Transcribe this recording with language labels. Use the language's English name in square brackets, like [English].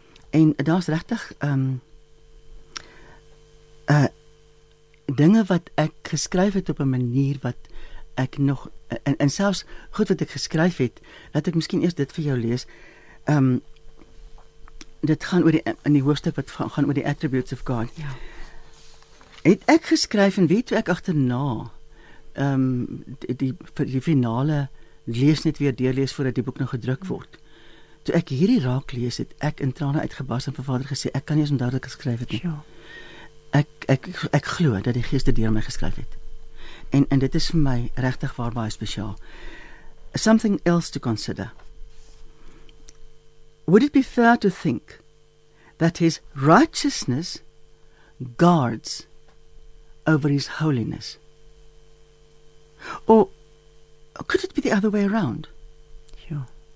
[Afrikaans] En daar is rechtig dinge wat ek geskryf het op 'n manier wat ek nog, en selfs goed wat ek geskryf het, laat ek miskien eers dit vir jou lees. Dit gaan oor die, in die hoofstuk wat gaan oor die [English] attributes of God. [Afrikaans] Ja. Het ek geskryf en weet hoe ek achterna die finale lees net weer deurlees voordat die boek nog gedruk word. Toe ek hierdie raak lees, het ek in trane uitgebarst en vir vader gesê, ek kan nie eens onduidelik geskryf het nie. Ek glo dat die geeste deur my geskryf het. En dit is vir my regtig waar baie spesiaal. [English] Something else to consider. Would it be fair to think that his righteousness guards over his holiness? Or could it be the other way around? Sure.